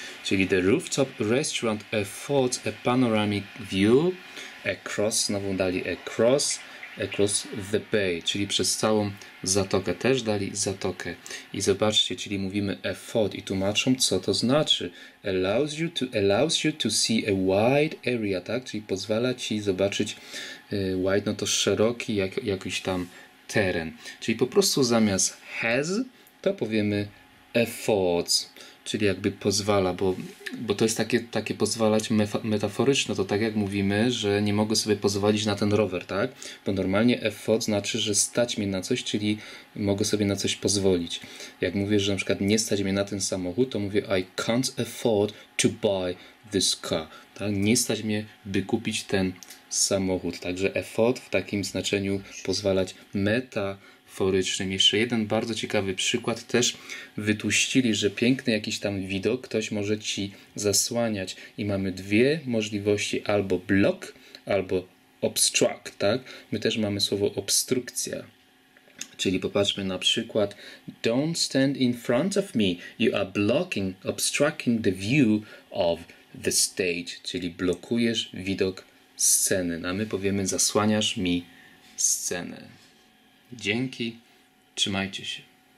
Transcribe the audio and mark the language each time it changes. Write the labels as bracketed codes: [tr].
[en] Czyli the rooftop restaurant affords a panoramic view across, [pl] znowu dali [en] across the bay, [pl] czyli przez całą zatokę. Też dali zatokę. I zobaczcie, czyli mówimy afford i tłumaczą, co to znaczy. [en] Allows you to see a wide area, tak? [pl] Czyli pozwala ci zobaczyć wide, no to szeroki jakiś tam teren. Czyli po prostu zamiast has, to powiemy affords, czyli jakby pozwala, bo to jest takie pozwalać metaforyczne, to tak jak mówimy, że nie mogę sobie pozwolić na ten rower, tak? Bo normalnie effort znaczy, że stać mnie na coś, czyli mogę sobie na coś pozwolić. Jak mówię, że na przykład nie stać mnie na ten samochód, to mówię [en] I can't afford to buy this car, [pl] tak? Nie stać mnie, by kupić ten samochód. Także effort w takim znaczeniu pozwalać metaforycznym. Jeszcze jeden bardzo ciekawy przykład. Też wytłuścili, że piękny jakiś tam widok ktoś może ci zasłaniać. I mamy dwie możliwości. Albo block, albo obstruct. Tak? My też mamy słowo obstrukcja. Czyli popatrzmy na przykład. [en] Don't stand in front of me. You are blocking, obstructing the view of the stage. [pl] Czyli blokujesz widok sceny. A my powiemy zasłaniasz mi scenę. Dzięki, trzymajcie się.